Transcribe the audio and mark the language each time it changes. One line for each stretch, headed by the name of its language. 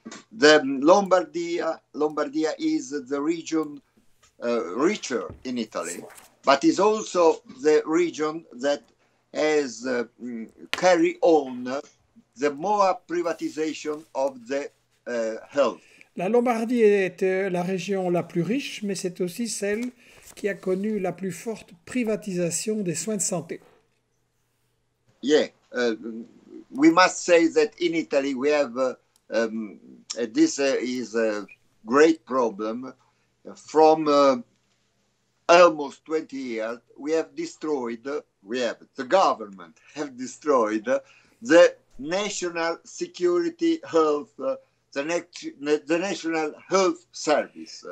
English: The Lombardia is the region richer in Italy, but is also the region that has carry on the more privatization of the health.
French: La Lombardie est la région la plus riche, mais c'est aussi celle qui a connu la plus forte privatisation des soins de santé.
English: Yeah, we must say that in Italy we have this is a great problem. From almost 20 years, we have destroyed, the government have destroyed the national security health, the national health service.